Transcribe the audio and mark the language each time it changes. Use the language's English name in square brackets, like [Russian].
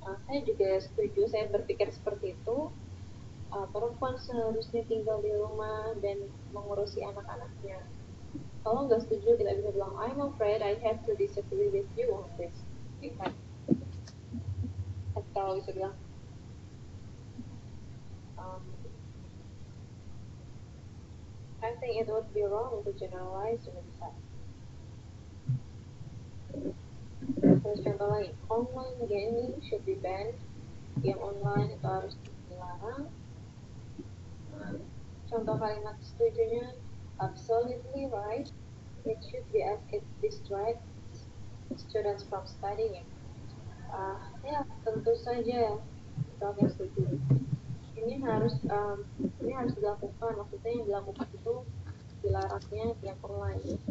[Indonesian] Saya juga setuju, saya berpikir seperti itu. Perempuan seharusnya tinggal di rumah dan mengurusi anak-anaknya. Kalau nggak setuju, kita bisa bilang, [English] I'm afraid I have to disagree with you on this. [Indonesian] Atau bisa bilang, [English] I think it would be wrong to generalize to the [Indonesian] Terus contoh lagi, [English] online gaming should be banned. [Indonesian] Game online itu harus dilarang. Contoh kalimat setujunya, [English] absolutely right. It should be as it distracts students from studying. [Indonesian] Ya, tentu saja ya, itu yang setuju. Ini harus dilakukan, maksudnya yang dilakukan itu dilarangnya game online.